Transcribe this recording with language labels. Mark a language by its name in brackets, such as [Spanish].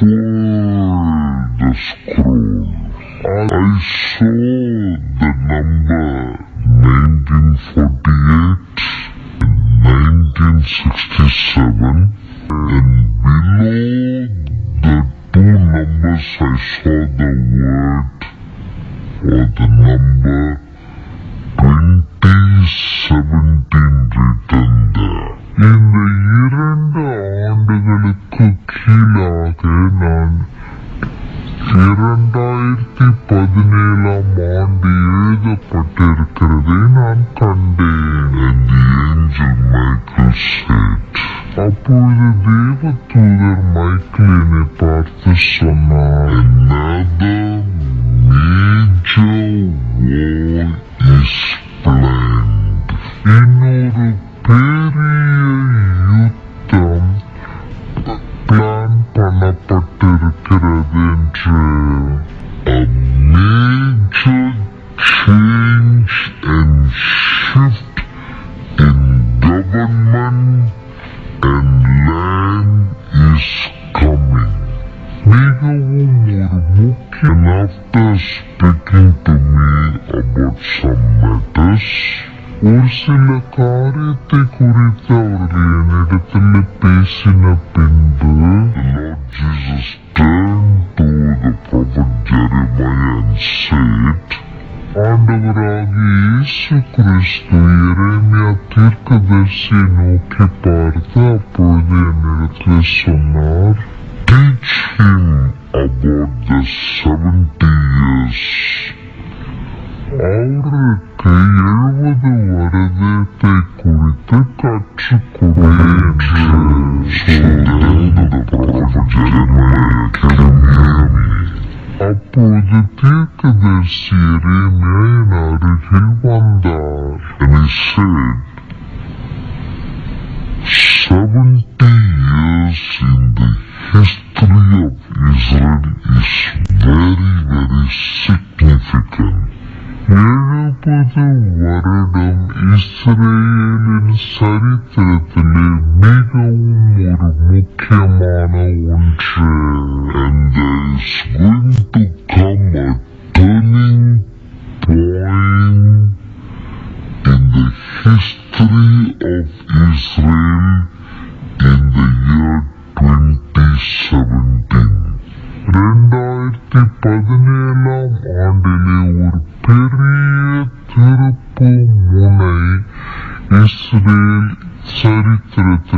[English] I saw the number 1948 and 1967, and below the two numbers I saw the word or the number 2017 written there. In the [Tamil] இரண்டு ஆண்டுகளுக்கு கீழாக நான் 2017 ஆண்டு எழுதப்பட்டிருக்கிறதை நான் கண்டேன். [English] The angel Michael said. [Tamil] அப்பொழுது தேவ தூதர் மைக்கேல் என்னை பார்த்து சொன்னார், இன்னொரு பெரிய யுத்தம் பிளான் பண்ணப்பட்டிருக்கிறது என்று. [English] A major change and shift in government and land is coming. [Tamil] மிகவும் ஒரு முக்கிய, [English] after speaking to me about some matters, [Tamil] ஒரு சில காரியத்தை குறித்து அவர்கள் என்னிடத்தில் பேசின பின்பு, [English] Lord Jesus turned to the prophet Jeremiah and said, [Tamil] ஆண்டவராகிய இயேசு கிறிஸ்து எரேமியா தீர்க்கதரிசியை நோக்கி பார்த்து அப்பொழுது என்னிடத்தில் சொன்னார், [English] Teach him about the 70 years. [Tamil] அவருக்கு 70 வருடத்தை குறித்து கற்றுக்கொள்ள. அப்போது தீர்க்கதரிசி எரேமியா என் அருகில் வந்தார். [English] 70 years in the history of Israel is very, very significant. [Tamil] 70 வருடம் இஸ்ரேலின் சரித்திரத்திலே மிகவும் ஒரு முக்கியமான ஒன்று. [English] And there is going to come a turning point in the history of Israel in the year 2017. [Tamil] 2017 ஆண்டிலே ஒரு பெரிய திருப்பு முனை இஸ்ரேல் சரித்திர